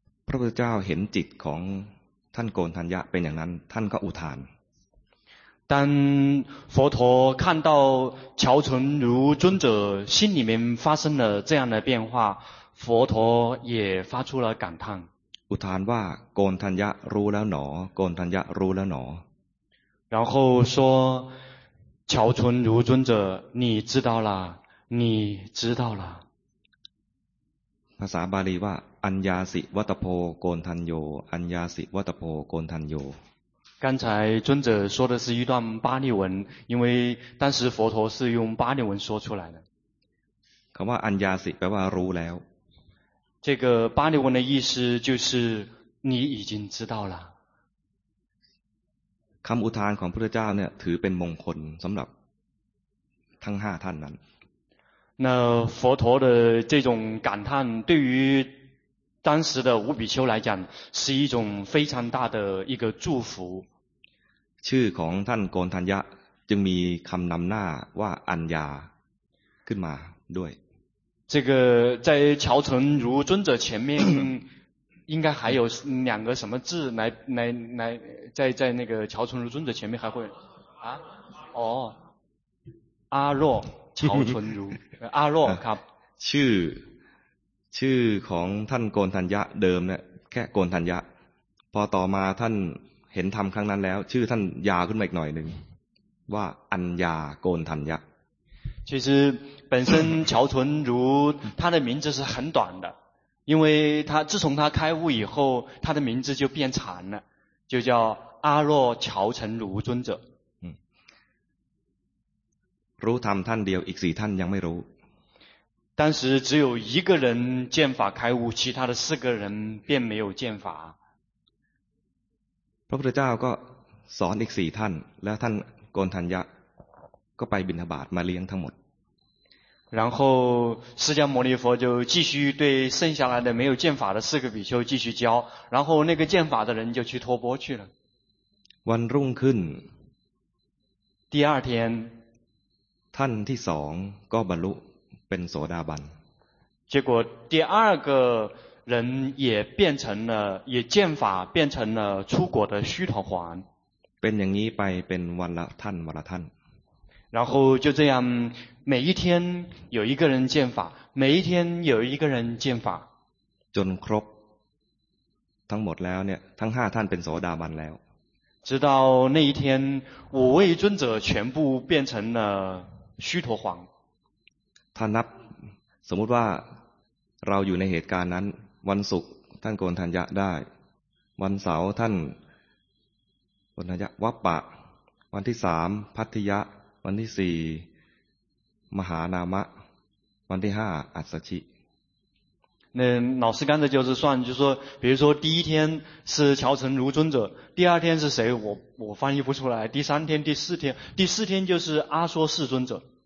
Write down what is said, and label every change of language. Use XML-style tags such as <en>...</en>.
<th>ระพุทธเจ้าเห็นจิตของท่านโกณฑัญญะเป็นอย่างนั้นท่านก็อุทาน</th> <zh>当佛陀看到乔纯如尊者心里面发生了这样的变化佛陀也发出了感叹</zh> <th>อุทานว่าโกณฑัญญะรู้แล้วหนอโกณฑัญญะรู้แล้วหน</th> <zh>อ然后说乔纯如尊者你知道了你知道了</zh> <th>ภาษาบาลีว่าอัญญาสิวัตโพโกณฑัญโยอัญญาสิวัตโพโกณฑัญโย</th> <zh>刚才尊者说的是一段巴利文因为当时佛陀是用巴利文说出来的</zh> <th>คำว่าอัญญาสิแปลว่ารู้แล้ว</th> <zh>这个巴利文的意思就是你已经知道了</zh> <th>คำอุทานของพระพุทธเจ้าเนี่ยถือเป็นมงคลสำหรับทั้ง5ท่านนั้น</th> <zh>那佛陀的这种感叹对于当时的五比丘来讲是一种非常大的一个祝福</zh> <th>ชื่อของท่านโกณฑัญญะจึงมีคำนำหน้าว่าอัญญาขึ้นมาด้วย</th> <zh>这个在乔纯如尊者前面应该还有两个什么字来在那个乔纯如尊者前面还会啊哦阿若乔纯如阿若ครับ</zh> <th>ชื่อของท่านโกณฑัญญะเดิมเนี่ยแค่โกณฑัญญะพอต่อมาท่านเห็นธรรมครั้งนั้นแล้วชื่อท่านยาวขึ้นมาอีกหน่อยนึงว่าอัญญาโกณฑัญญะ</th> <zh>其实本身乔纯如他的名字是很短的因为他自从他开悟以后他的名字就变长了就叫阿若乔纯如尊者</zh> <th>รู้ธรรมท่านเดียวอีกสี่ท่านยังไม่รู้</th> <zh>当时只有一个人见法开悟，其他的四个人便没有见法。</zh> <th>พระพุทธเจ้าก็สอนอีกสี่ท่านแล้วท่านโกณฑัญญะก็ไปบิณฑบาตมาเลี้ยงทั้งหมด</th> <zh>然后释迦牟尼佛就继续对剩下来的没有见法的四个比丘继续教然后那个见法的人就去托钵去了</zh> <th>วันรุ่งขึ้น</th> <zh>第二天</zh> <th>ท่านที่สองก็บรรลุเป็นโสดาบัน</th> <zh>结果第二个人也变成了也见法变成了出果的须陀洹</zh> <th>เป็นอย่างนี้ไปเป็นวันละท่านวันละท่าน</th> <zh>然后就这样每一天有一个人见法每一天有一个人见法</zh> <th>จนครบทั้งหมดแล้วเนี่ยทั้ง5ท่านเป็นโสดาบันแล้ว</th> <zh>直到那一天五位尊者全部变成了须陀洹</zh> <th>ถ้านับสมมุติว่าเราอยู่ในเหตุการณ์นั้นวันศุกร์ท่านโกณฑัญญะได้วันเสาร์ท่านโกณฑัญญะวัปปะวันที่3พัทธิยะวันที่4มหานามะวันที่5อัสสชิ</th> <zh>那老师刚才就是算就是说比如说第一天是乔纯如尊者第二天是谁我翻译不出来第三天第四天就是阿说世尊者</zh>